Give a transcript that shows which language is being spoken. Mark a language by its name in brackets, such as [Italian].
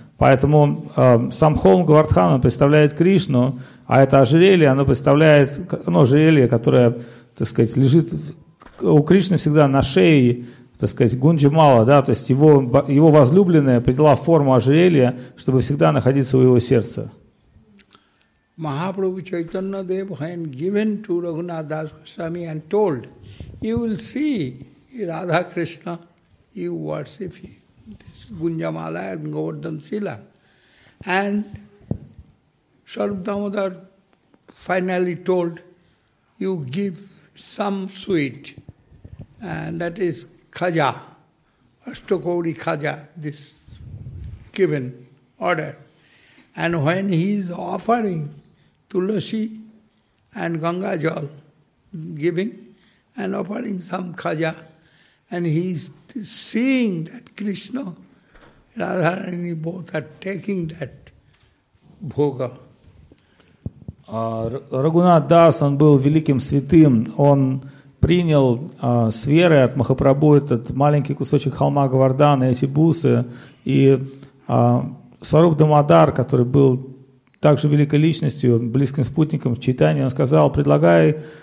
[Russian] Поэтому сам холм Говардхана представляет Кришну, а это ожерелье, оно представляет ожерелье, которое, так сказать, лежит у Кришны всегда на шее, так сказать, Гунджамала, да, то есть его возлюбленная приняла форму ожерелья, чтобы всегда находиться у его сердца. [English] Mahaprabhu Chaitanya Dev had given to Raghunath Das Goswami and told, you will see Radha Krishna, you worship this Gunjamala and Govardhan Sila. And Swarup Damodar finally told, you give some sweet, and that is khaja, Ashtakauri khaja, this given order. And when he is offering Tulasi and Ganga Jal, giving and offering some khaja, and he is seeing that Krishna, Radharani both are taking that bhoga. [Russian] Рагунат Дас, он был великим святым, он принял с верой от Махапрабху этот маленький кусочек холма Говардхана, эти бусы, и Сваруп Дамодар, который был также великой личностью, близким спутником Чайтаньи, он сказал: предлагай